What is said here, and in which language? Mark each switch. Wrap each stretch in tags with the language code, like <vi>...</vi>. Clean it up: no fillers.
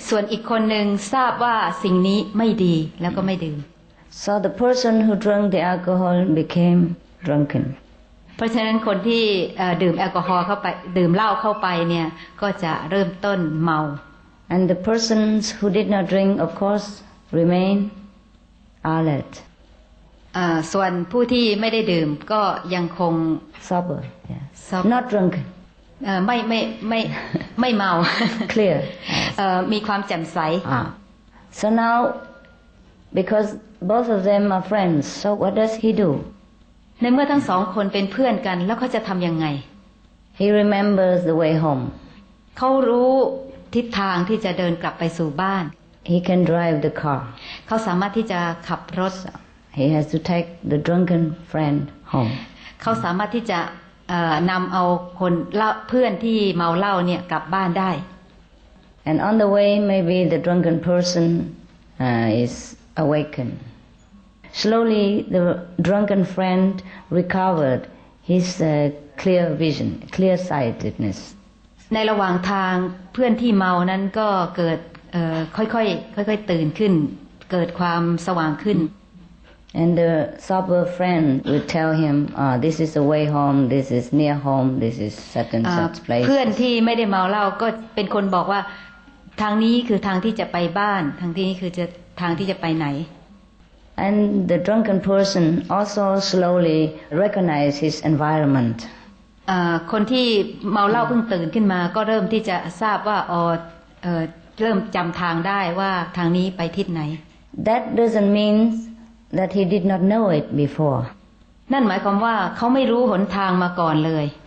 <th>ส่วนอีกคนหนึ่งทราบว่าสิ่งนี้ไม่ดีแล้วก็ไม่ดื่ม</th> <en>So the person who drank the alcohol became drunken.</en> <th>เพราะฉะนั้นคนที่ดื่มแอลกอฮอล์เข้าไปดื่มเหล้าเข้าไปเนี่ยก็จะเริ่มต้นเมา</th> <en>And the persons who did not drink, of course, remain alert.</en> <th>ส่วนผู้ที่ไม่ได้ดื่มก็ยังคง</th> <en>sober. Yes. Not drunken.</en> <th>ไม่เมา</th> <en>Clear.</en> <th>มีความแจ่มใส</th> <en>So now, becauseBoth of them are friends. So what does he do?</en> <th>ในเมื่อทั้งสองคนเป็นเพื่อนกันแล้วเขาจะทำยังไง</th> <en>He remembers the way home.</en> <th>เขารู้ทิศทางที่จะเดินกลับไปสู่บ้าน</th> <en>He can drive the car.</en> <th>เขาสามารถที่จะขับรถ</th> <en>He has to take the drunken friend home.</en> <th>เขาสามารถที่จะนำเอาคนเพื่อนที่เมาเหล้าเนี่ยกลับบ้านได้</th> <en>And on the way, maybe the drunken person is. Awaken. Slowly, the drunken friend recovered his clear vision, clear sightedness.</en> <th>ในระหว่างทางเพื่อนที่เมานั้นก็เกิดค่อยตื่นขึ้นเกิดความสว่างขึ้น</th> <en>And the sober friend would tell him, this is the way home. This is near home. This is such and such place.</en> <th>เพื่อนที่ไม่ได้เมาเหล้าก็เป็นคนบอกว่าทางนี้คือทางที่จะไปบ้านทางที่นี้คือจะทางที่จะไปไหน</th> <en>And the drunken person also slowly recognized his environment.</en> <th>คนที่เมาเหล้าเพิ่งตื่นขึ้นมาก็เริ่มที่จะทราบว่าเริ่มจำทางได้ว่าทางนี้ไปทิศไหน</th> <en>That doesn't mean that he did not know it before.</en> <th>นั่นหมายความว่าเขาไม่รู้หนทางมาก่อนเลย</th>